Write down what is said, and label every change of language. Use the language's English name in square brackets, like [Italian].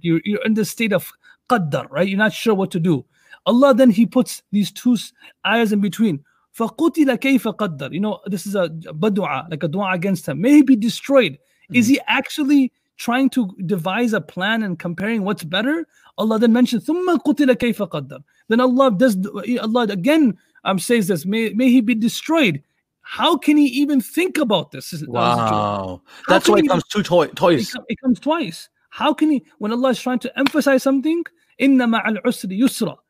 [English] You're in this state of qaddar, right? You're not sure what to do. Allah, then he puts these two ayahs in between. [Arabic] فَقُتِلَ كَيْفَ قَدَّرَ. [English] You know, this is a badu'a, like a du'a against him. May he be destroyed. Mm-hmm. Is he actually trying to devise a plan and comparing what's better? Allah then mentions, [Arabic] ثُمَّ قُتِلَ كَيْفَ قَدَّرَ. [English] Then Allah again says this, may he be destroyed. How can he even think about this? Wow. That's why it comes twice. It comes twice. How can he, when Allah is trying to emphasize something, inna ma'al usri yusra.